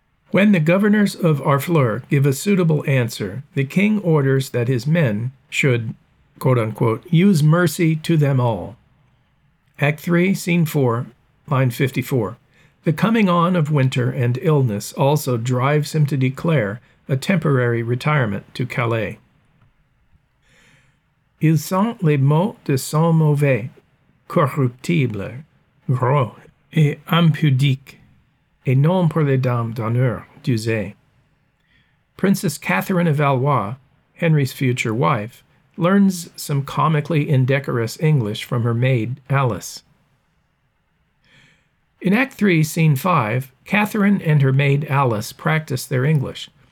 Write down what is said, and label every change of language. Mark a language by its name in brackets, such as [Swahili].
[English] When the governors of Harfleur give a suitable answer, the king orders that his men should, quote-unquote, use mercy to them all. Act 3, Scene 4, line 54. The coming on of winter and illness also drives him to declare a temporary retirement to Calais. [French] Ils sont les mots de son mauvais, corruptibles, gros et impudiques, et non pour les dames d'honneur d'user. [English] Princess Catherine of Valois, Henry's future wife, learns some comically indecorous English from her maid, Alice. In Act 3, Scene 5, Catherine and her maid, Alice, practice their English.